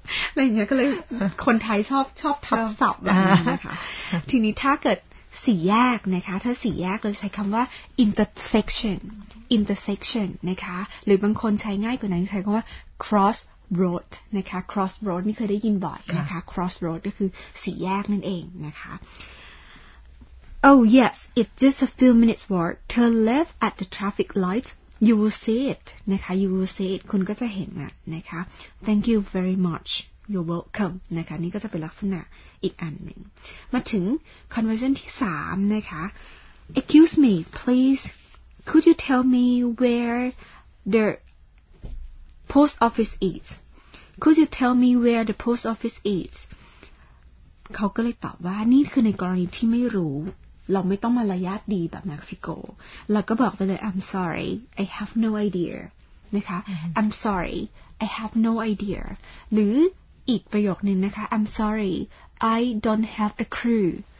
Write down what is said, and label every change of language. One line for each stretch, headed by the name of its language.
Thai: อะไรเงี้ยก็เลยคนไทยชอบทับศัพท์แบบนี้นะคะทีนี้ถ้าเกิดสี่แยกนะคะถ้าสี่แยกเราใช้คำว่า intersection นะคะหรือบางคนใช้ง่ายกว่านั้นใช้คำว่า crossroad นะคะ crossroad นี่เคยได้ยินบ่อยนะคะ crossroad ก็คือสี่แยกนั่นเองนะคะ
English: Oh, yes, it's just a few minutes walk. Turn left at the traffic light. You will see it.
Thai: นะคะ
English: you will see it.
Thai: คุณก็จะเห็นอ่ะนะคะ
English: Thank you very much. You're welcome.
Thai: นะคะนี่ก็จะเป็นลักษณะอีกอันหนึ่งมาถึง conversation ที่สามนะคะ
English: Excuse me, please. Could you tell me where the post office is? Could you tell me where the post office is?
Thai: เขาก็เลยตอบว่านี่คือในกรณีที่ไม่รู้เราไม่ต้องมารยาทดีแบบเม็กซิโกเราก็บอกไปเลย
English: I'm sorry I have no idea
Thai: นะคะ
English: I'm sorry I have no idea
Thai: หรืออีกประโยคนึงนะคะ
English: I'm sorry I don't have a clue